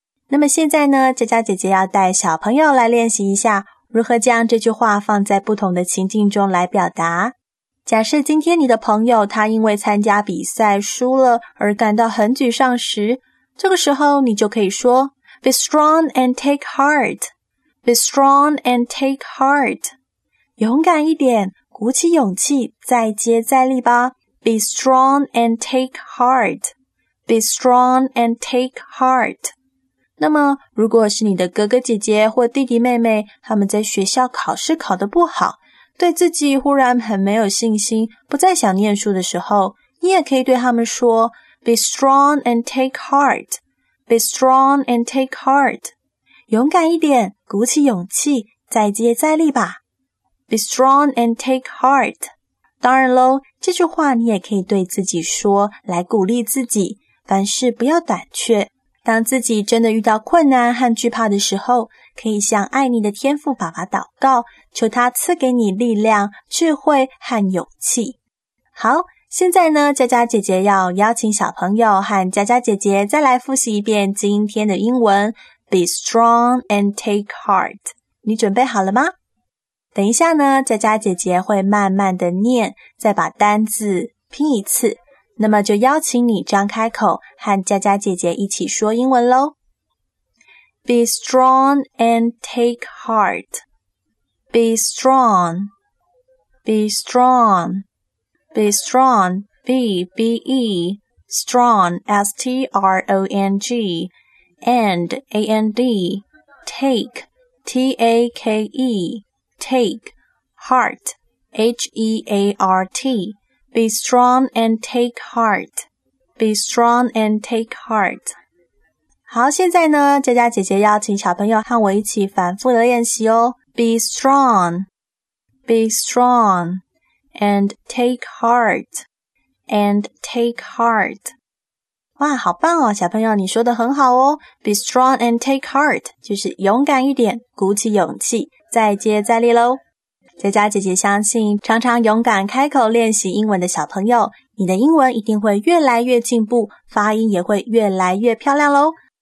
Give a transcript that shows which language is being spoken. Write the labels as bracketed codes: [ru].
[zh] 那么现在呢，佳佳姐姐要带小朋友来练习一下如何将这句话放在不同的情境中来表达。假设今天你的朋友他因为参加比赛输了而感到很沮丧时，这个时候你就可以说 [en] Be strong and take heart. Be strong and take heart. [zh] 勇敢一点，鼓起勇气，再接再厉吧。 [en] Be strong and take heart. Be strong and take heart. [zh] 那么如果是你的哥哥姐姐或弟弟妹妹，他们在学校考试考得不好，对自己忽然很没有信心，不再想念书的时候，你也可以对他们说 [en] Be strong and take heart. Be strong and take heart. [zh] 勇敢一点，鼓起勇气，再接再厉吧。 [en] Be strong and take heart. [zh] 当然咯，这句话你也可以对自己说，来鼓励自己，凡事不要胆怯。当自己真的遇到困难和惧怕的时候，可以向爱你的天父爸爸祷告，求他赐给你力量、智慧和勇气。好，现在呢，佳佳姐姐要邀请小朋友和佳佳姐姐再来复习一遍今天的英文 [en] Be strong and take heart。 [zh] 你准备好了吗？等一下呢，佳佳姐姐会慢慢的念，再把单字拼一次，那么就邀请你张开口和佳佳姐姐一起说英文咯。 [en] Be strong and take heart. Be strong. Be strong. Be strong. B-B-E. Strong. S-T-R-O-N-G. And. A-N-D. Take. T-A-K-E. Take. Heart. H-E-A-R-T. Be strong and take heart. Be strong and take heart. [zh] 好，现在呢，佳佳姐姐要请小朋友和我一起反复的练习哦。 [en] Be strong, be strong, and take heart, and take heart. [zh] 哇，好棒哦，小朋友，你说的很好哦。 [en] Be strong and take heart, [zh] 就是勇敢一点，鼓起勇气，再接再厉咯。佳佳姐姐相信，常常勇敢开口练习英文的小朋友，你的英文一定会越来越进步，发音也会越来越漂亮咯。